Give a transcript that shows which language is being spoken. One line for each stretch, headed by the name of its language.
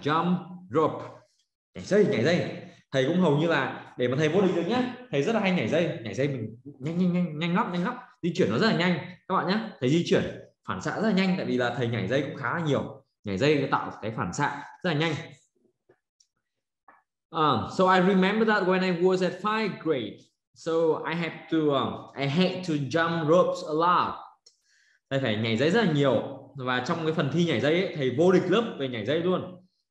English: Jump, rope.
Vietnamese: Nhảy dây. Thầy cũng hầu như là để mà thầy vô địch được nhá. Thầy rất là hay nhảy dây mình nhanh lắm, di chuyển nó rất là nhanh các bạn nhá. Thầy di chuyển phản xạ rất là nhanh tại vì là thầy nhảy dây cũng khá là nhiều. Nhảy dây nó tạo cái phản xạ rất là nhanh.
English: So I remember that when I was at 5th grade. So I had to jump ropes a lot.
Vietnamese: Thầy phải nhảy dây rất là nhiều và trong cái phần thi nhảy dây ấy, thầy vô địch lớp về nhảy dây luôn.